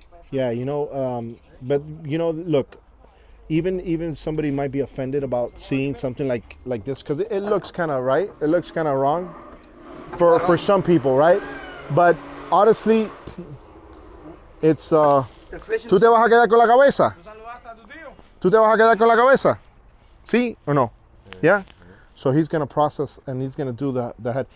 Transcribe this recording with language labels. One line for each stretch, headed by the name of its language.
English: Yeah, you know, but, you know, look, even somebody might be offended about seeing something like this, because it looks kind of right. It looks kind of wrong for some people, right? But honestly, it's...
Spanish: ¿Tú te vas a quedar con la cabeza? ¿Tú te vas a quedar con la cabeza? ¿Sí o no? Yeah?
English: So he's going to process and he's going to do the head.